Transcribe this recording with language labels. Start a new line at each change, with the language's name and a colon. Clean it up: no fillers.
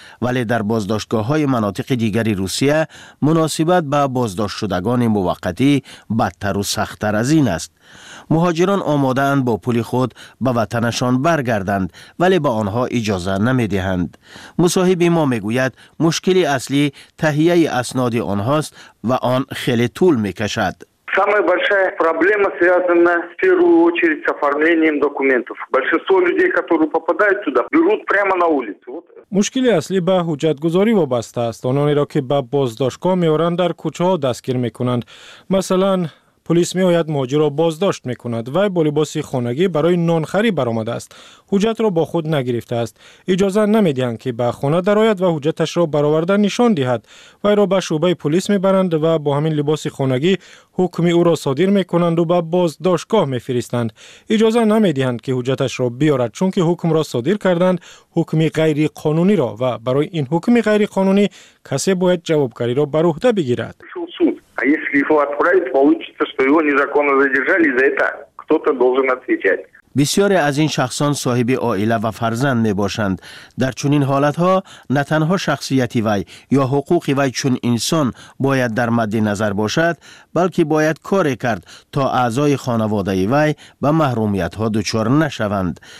Persian: ولی در بازداشتگاه های مناطق دیگری روسیه مناسبت به بازداشت شدگان موقتی بدتر و سختتر از این است. مهاجران آماده اند با پول خود به وطنشان برگردند، ولی به آنها اجازه نمی دهند. مصاحب ما می گوید مشکل اصلی تهیه اسناد آنهاست و آن خیلی طول می کشد.
Russian: Самая большая проблема связана в первую очередь с оформлением документов. Большинство людей, которые попадают туда, берут прямо на улицу.
Tajik: Мушкили асли ба ҳуҷҷатгузорӣ вобаста аст. Онони ро ки ба боздоштгоҳ меоранд дар кӯчаҳо дастгир мекунанд.
Persian: Масалан پلیس می آید مهاجر را بازداشت می کند و با لباس خانگی برای نانخری برآمده است. حجت را با خود نگرفته است. اجازه نمی دهند که به خانه در آید و حجتش را برآورده نشان دهد. وی را به شعبه پلیس می برند و با همین لباس خانگی حکم او را صادر می کنند و به بازداشتگاه می فرستند. اجازه نمی دهند که حجتش را بیارد، چون که حکم را صادر کردند، حکم غیر قانونی را، و برای این حکم غیر قانونی کسی باید جوابگری را بر عهده بگیرد.
Russian: А если его отправят, получится, что его незаконно задержали, за это кто-то должен отвечать.
Persian: بسیاری از این شخصان صاحب عائله و فرزند می باشند. در چنین حالتها نه تنها شخصیتی وی یا حقوق وی چون انسان باید در مد نظر باشد، بلکه باید کاری کرد تا اعضای خانواده وی به محرومیت ها دچار نشوند.